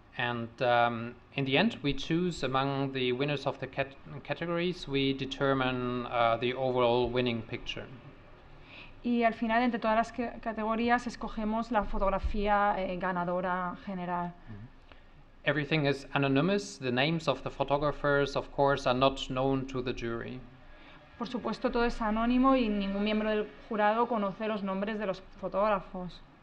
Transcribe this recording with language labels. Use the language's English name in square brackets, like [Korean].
[English] And in the end, we choose among the winners of the categories, we determine the overall winning picture. [Spanish] Y al final, entre todas las categorías, escogemos la fotografía ganadora general. [English] Everything is anonymous. The names of the photographers, of course, are not known to the jury. [Spanish] Por supuesto, todo es anónimo y ningún miembro del jurado conoce los nombres de los fotógrafos.